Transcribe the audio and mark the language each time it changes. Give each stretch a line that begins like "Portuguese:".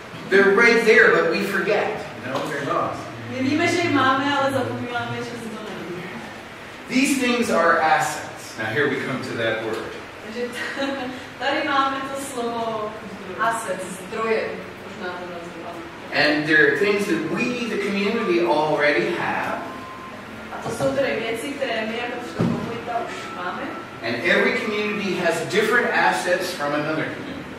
English: They're right there, but we forget. No, they're not.
Czech: My víme, že je máme, ale zapomínáme, že se to neví.
English: These things are assets. Now here we come to that word.
Czech: Takže tady máme to slovo assets, zdroje. Možná to nazývám.
English: And there are things that we, the community, already have.
Czech: A to jsou tedy věci, které my jako máme.
English: And every community has different assets from another community.